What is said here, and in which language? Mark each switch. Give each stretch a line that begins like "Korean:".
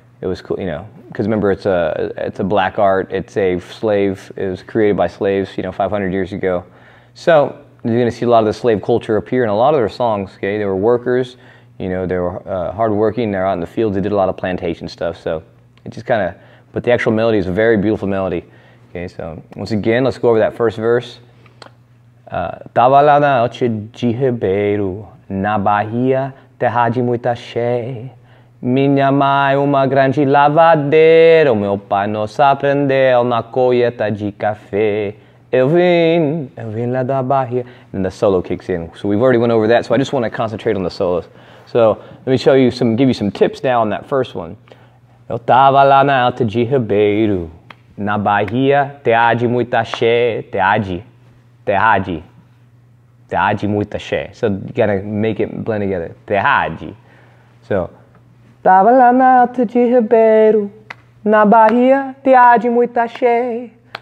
English: It was cool, you know, because remember it's a black art, it's a slave, it was created by slaves, you know, 500 years ago. So you're gonna see a lot of the slave culture appear in a lot of their songs, okay? They were workers. You know, they were hardworking, they're out in the fields, they did a lot of plantation stuff, so it just kind of, but the actual melody is a very beautiful melody. Okay, so once again, let's go over that first verse.
Portuguese: Tava lá na alta de Ribeiro, na Bahia, terra de muita axé. Minha mãe, uma grande lavadeira, meu pai nos aprendeu na colheita de café. Eu vim lá da Bahia.
English: And the solo kicks in. So we've already went over that, so I just want to concentrate on the solos. So let me show you give you some tips now on that first one.
Portuguese: Eu tava lá na alta de Ribeiro, na Bahia, terra de muita axé, terra de muita axé.
English: So you gotta make it blend together.
Portuguese: Terra de.
English: So.
Portuguese: Tava lá na alta de Ribeiro, na Bahia, terra de muita axé.